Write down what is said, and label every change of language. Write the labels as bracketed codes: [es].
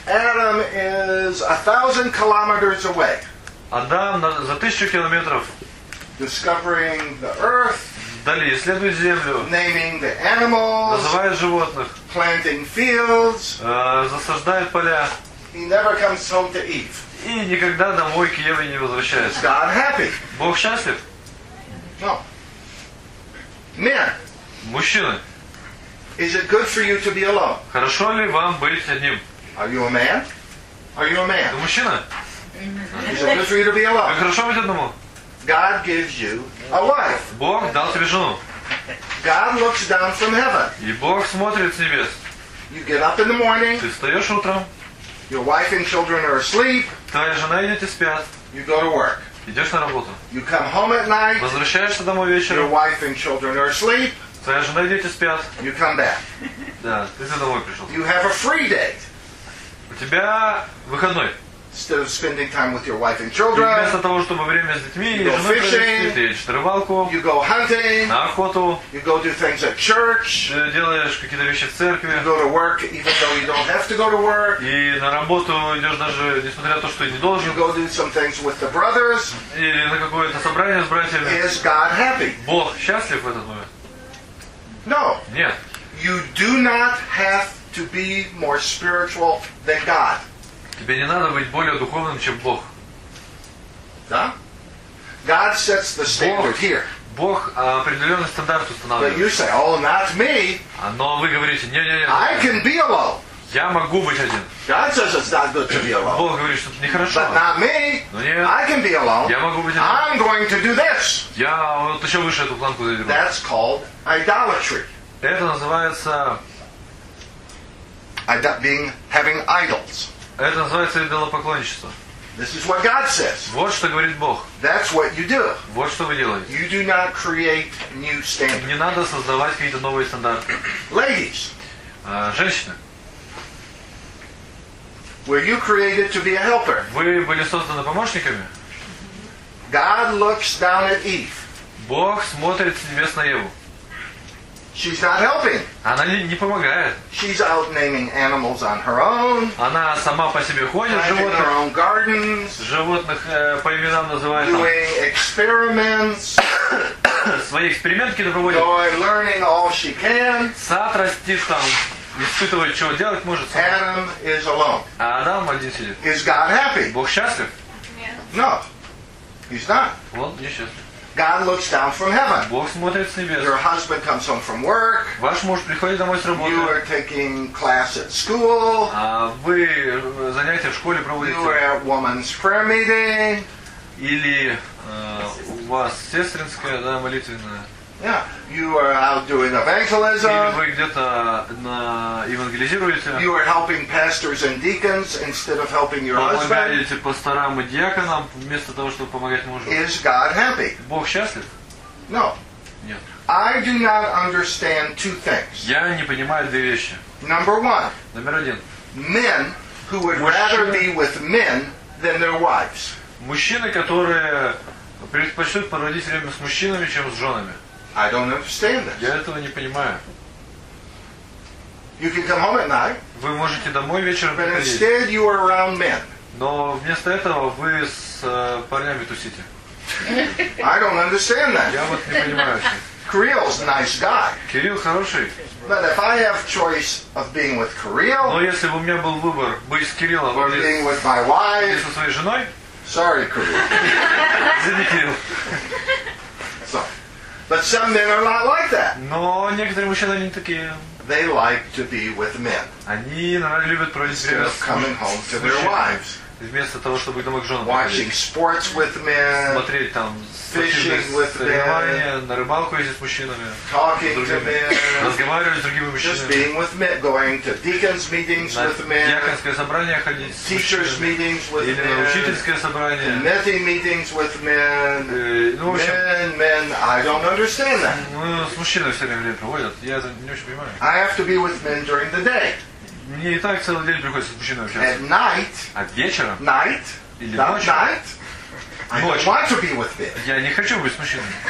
[en] Adam is 1,000 kilometers away. [ru] Адам за 1,000 километров. [en] Discovering the earth, [ru] далее исследует землю, [en] naming the animals, [ru] называет животных, [en] planting fields, [ru] засаждает поля. [en] He never comes home to Eve. [ru] И никогда домой к Еве не возвращается. [en] Is God happy? [ru] Бог счастлив? [en] No. Men. [ru] Мужчины. [en] Is it good for you to be alone? [ru] Хорошо ли вам быть одним? [en] Are you a man? Are you a man? [ru] Ты мужчина? [en] Is it good for you to be alone? [ru] Хорошо быть одному? [en] God gives you a wife. [ru] Бог дал тебе жену. [en] God looks down from heaven. [ru] И Бог смотрит с небес. [en] You get up in the morning. [ru] Ты встаешь утром. [en] Your wife and children are asleep. [ru] Твоя жена и дети спят. [en] You go to work. [ru] Идешь на работу. [en] You come home at night. [ru] Возвращаешься домой вечером. [en] Your wife and children are asleep. [ru] Твоя жена и дети спят. [en] You come back. [ru] Да, ты за домой пришел. [en] You have a free day. [ru] У тебя выходной. [en] Instead of spending time with your wife and children, [ru] вместо того, чтобы время с детьми, [en] you go fishing, [ru] ты едешь на рыбалку, [en] you go hunting, [ru] на охоту, [en] you go do things at church, [ru] ты делаешь какие-то вещи в церкви, [en] you go to work, even though you don't have to go to work, [ru] и на работу идешь даже несмотря на то, что ты не должен, [en] you go do some things with the brothers, [ru] или на какое-то собрание с братьями. [en] Is God happy? [ru] Бог счастлив в этот момент? [en] No. [ru] Нет. [en] You do not have to be more spiritual than God. [ru] Тебе не надо быть более духовным, чем Бог. Да? [en] God sets the standard here. [ru] Бог определенный стандарт устанавливает. [en] But you say, oh, not me. [ru] Но вы говорите, не-не-не. [en] I can be alone. [ru] Я могу быть один. [en] God says it's not good to be alone. [ru] Бог говорит, что это нехорошо. [en] But not me. [ru] Но нет. [en] I can be alone. [ru] Я могу быть один. [en] I'm going to do this. [ru] Я вот еще выше эту планку заберу. [en] That's called idolatry. [ru] Это называется... [en] Having idols. [ru] Это называется идолопоклонничество. [en] This is what God says. [ru] Вот что говорит Бог. [en] That's what you do. [ru] Вот что вы делаете. [en] You do not create new standards. [ru] Не надо создавать какие-то новые стандарты. [en] Ladies. [ru] Женщины. [en] Were you created to be a helper? [ru] Вы были созданы помощниками? [en] God looks down at Eve. [ru] Бог смотрит с небес на Еву. [en] She's not helping. [ru] Она не помогает. [en] She's out naming animals on her own. [ru] Она сама по себе ходит, животных, [en] her own gardens, [ru] животных по именам называет. [en] Doing experiments. [ru] Свои эксперименты проводит. [en] Going, learning all she can. [ru] Сад растит там, испытывает, чего делать может. Сам. [en] Adam is alone. [ru] А Адам один сидит. [en] Is God happy? [ru] Бог счастлив? [en] No. He's not. [ru] Вот, не счастлив. [en] God looks down from heaven. [ru] Бог смотрит с небес. [en] Your husband comes home from work. [ru] Ваш муж приходит домой с работы. [en] You are taking class at school. [ru] А вы занятия в школе проводите. [en] You are at woman's prayer meeting. [ru] Или у вас сестринская, да, молитвенная. [en] Yeah. You are out doing evangelism. [ru] Или вы где-то на евангелизируете. [en] You are helping pastors and deacons instead of helping your [ru] помогаете [en] husband. [ru] Помогаете пасторам и диаконам вместо того, чтобы помогать мужу. [en] Is God happy? [ru] Бог счастлив? [en] No. [ru] Нет. [en] I do not understand two things. [ru] Я не понимаю две вещи. [en] Number one. [ru] Номер один. [en] Men who would rather be with men than their wives. [ru] Мужчины, которые предпочтут проводить время с мужчинами, чем с женами. [en] I don't understand this. [ru] Я этого не понимаю. [en] You can come home at night. [ru] Вы можете домой вечером прийти. [en] But instead you are around men. [ru] Но вместо этого вы с парнями тусите. [en] I don't understand that. [ru] Я вот не понимаю. [en] Kirill's a nice guy. [ru] Кирилл хороший. [en] But if I have choice of being with Kirill. [ru] Но если бы у меня был выбор быть с Кириллом [en] or being with my wife. [ru] Или со своей женой. [en] Sorry, Kirill. [ru] Извини, Кирилл. [en] But some men are not like that. [ru] Но некоторые мужчины не такие. [en] They like to be with men. [ru] Они любят проводить время с мужчинами. Вместо того, чтобы домой к женам. [en] Watching sports with men. [ru] Смотреть там соревнования, на рыбалку ездить с мужчинами. [en] Talking to men. [ru] Разговаривать с другими мужчинами. [en] Just being with men. Going to deacons meetings with men. [ru] На диаконское собрание ходить. [en] Teachers meetings with men. [ru] Или на учительское собрание. [en] Committee meetings with men. Men, I don't understand that. [ru] Ну, с мужчинами все время проводят. Я это не очень понимаю. [en] I have to be with men during the day. [ru] Мне и так целый день приходится с мужчиной общаться. [en] At night. [ru] А вечером? [en] Night. [ru] Или ночью? [en] Night. I don't want to be with men. [ru] Я не хочу быть с мужчиной.